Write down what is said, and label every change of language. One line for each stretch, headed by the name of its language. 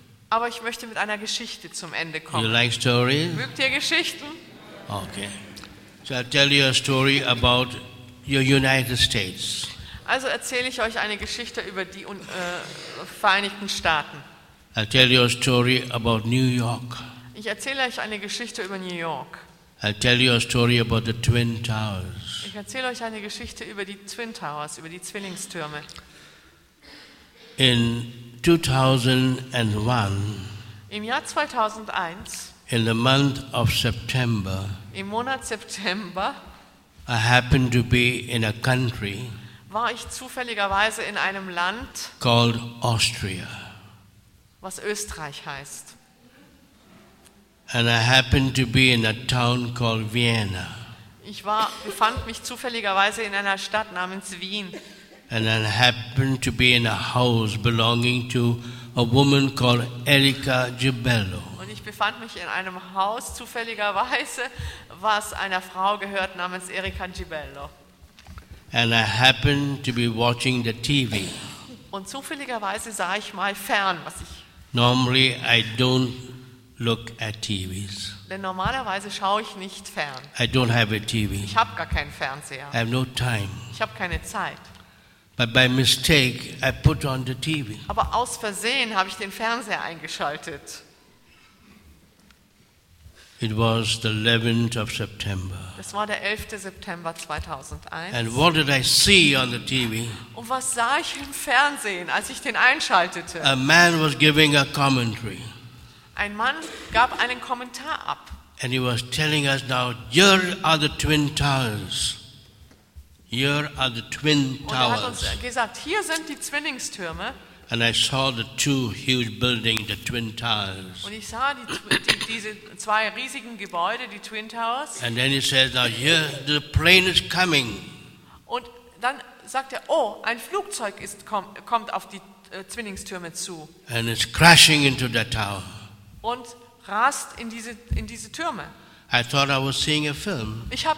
German: Aber ich möchte mit einer Geschichte zum Ende kommen.
English: You like stories?
German: Mögt ihr Geschichten?
English: Okay. So I'll tell you a story about your United States.
German: Also erzähle ich euch eine Geschichte über die Vereinigten Staaten.
English: I'll tell you a story about New York.
German: Ich erzähle euch eine Geschichte über New York.
English: I'll tell you a story about the Twin Towers.
German: Ich erzähle euch eine Geschichte über die Twin Towers, über die Zwillingstürme.
English: In 2001.
German: Im Jahr 2001.
English: In the month of September.
German: Im Monat September.
English: I happened to be in a country.
German: War ich zufälligerweise in einem Land
English: called Austria.
German: Was Österreich heißt.
English: And I happened to be in a town called Vienna.
German: Ich befand mich zufälligerweise in einer Stadt namens Wien.
English: And I happened to be in a house belonging to a woman called Erika Gibello.
German: Und ich befand mich in einem Haus zufälligerweise, was einer Frau gehört namens Erika Gibello.
English: And I happened to be watching the TV.
German: Und zufälligerweise sah ich mal fern, was ich.
English: Normally I don't look at TVs.
German: Denn normalerweise schaue ich nicht fern.
English: I don't have a TV.
German: Ich habe gar keinen Fernseher.
English: I have no time.
German: Ich habe keine Zeit.
English: But by mistake I put on the TV.
German: Aber aus Versehen habe ich den Fernseher eingeschaltet.
English: It was the 11th of September.
German: Das war der 11. September 2001.
English: And what did I see on the TV?
German: Und was sah ich im Fernsehen, als ich den einschaltete?
English: A man was giving a commentary.
German: Ein Mann gab einen Kommentar ab.
English: And he was telling us now, here are the twin towers. Here are the twin towers.
German: Und er hat uns gesagt, hier sind die Zwillingstürme.
English: And I saw the two huge buildings, the twin towers.
German: Und ich sah diese zwei riesigen Gebäude, die Twin Towers.
English: And then he says, now here the plane is coming.
German: Und dann sagt er, oh, ein Flugzeug kommt auf die Zwillingstürme zu.
English: And it's crashing into the tower.
German: Und rast in diese Türme.
English: I thought I was seeing a film.